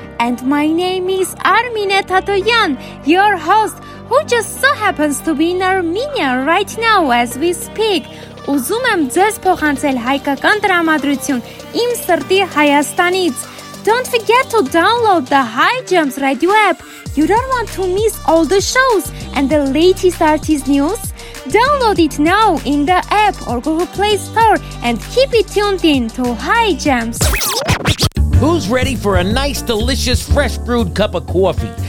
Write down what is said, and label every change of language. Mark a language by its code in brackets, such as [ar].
[en] And my name is Armine Tatoyan, your host, who just so happens to be in Armenia right now as we speak. [hy] Ուզում եմ ձեզ փոխանցել հայկական դրամատրություն իմ սրտի Հայաստանից. [en] Don't forget to download the High Jams Radio app. You don't want to miss all the shows and the latest artist news? Download it now in the app or Google Play Store and keep it tuned in to High Jams. Who's ready for a nice, delicious, fresh brewed cup of coffee?